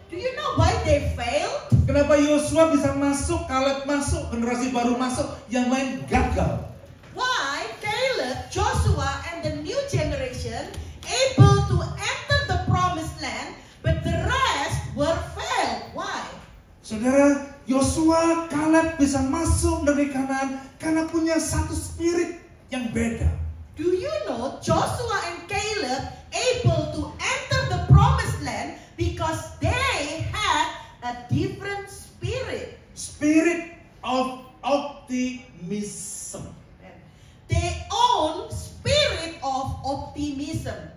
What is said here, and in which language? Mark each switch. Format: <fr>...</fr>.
<en>Do you know why they failed?</en> <id>Kenapa Yosua bisa masuk, Caleb masuk, generasi baru masuk, yang lain gagal?</id> <en>Why Caleb, Joshua and the new generation able to enter the promised land, but the rest were failed? Why?</en> <id>Saudara, Yosua, Caleb bisa masuk dari Kanaan karena punya satu spirit yang beda.</id> <en>Do you know Joshua and Caleb able to enter the promised land because they had a different spirit? Spirit of optimism. They own spirit of optimism.</en>